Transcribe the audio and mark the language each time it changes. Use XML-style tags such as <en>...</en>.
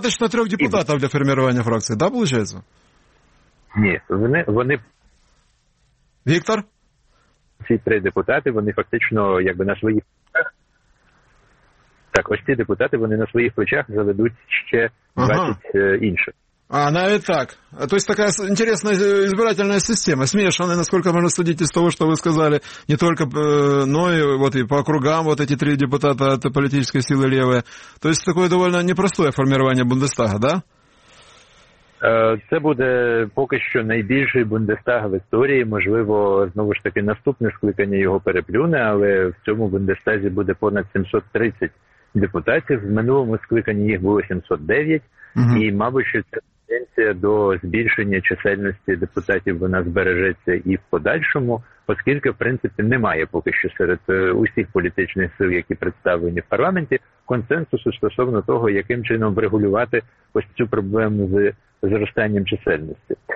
<uk>Достатньо трьох депутатів для формування фракції, так, виходить? Ні, вони... Віктор? Ці три депутати, вони фактично якби на своїх плечах... Так, ось ці депутати, вони на своїх плечах заведуть ще 20 інших. А, навіть так.</uk> <ru>То есть такая интересная избирательная система, смешанная, насколько можно судить из того, что вы сказали, не только, но и вот и по округам вот эти три депутата от политической силы левые. То есть такое довольно непростое формирование Бундестага, да?</ru> <uk>Це буде поки що найбільший Бундестаг в історії. Можливо, знову ж таки, наступне скликання його переплюне, але в цьому Бундестазі буде понад 730 депутатів. В минулому скликанні їх було 709, і, мабуть, що це тенденція до збільшення чисельності депутатів вона збережеться і в подальшому, оскільки, в принципі, немає поки що серед усіх політичних сил, які представлені в парламенті, консенсусу стосовно того, яким чином врегулювати ось цю проблему з зростанням чисельності.</uk>